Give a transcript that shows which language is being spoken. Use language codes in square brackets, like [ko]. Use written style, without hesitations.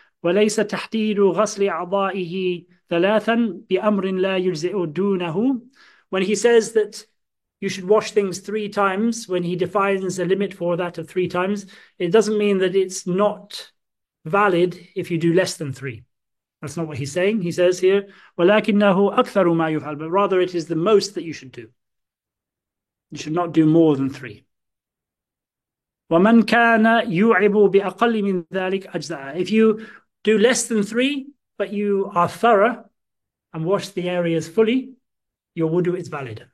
[ar] وَلَيْسَ تَحْدِيدُ غَسْلِ أَعْضَائِهِ ثَلَاثًا بِأَمْرٍ لَا يُجْزِئُ دُونَهُ. [en] When he says that you should wash things three times, when he defines a limit for that of three times, it doesn't mean that it's not valid if you do less than three. That's not what he's saying. He says here, [ar] وَلَكِنَّهُ أَكْثَرُ مَا يُفْعَلُ. [en] But rather it is the most that you should do. You should not do more than three. [ar] وَمَنْ كَانَ يُعِبُ بِأَقَلِّ مِنْ ذَلِكَ أَجْزَأَ. [en] If you do less than three, but you are thorough and wash the areas fully, your wudu is valid.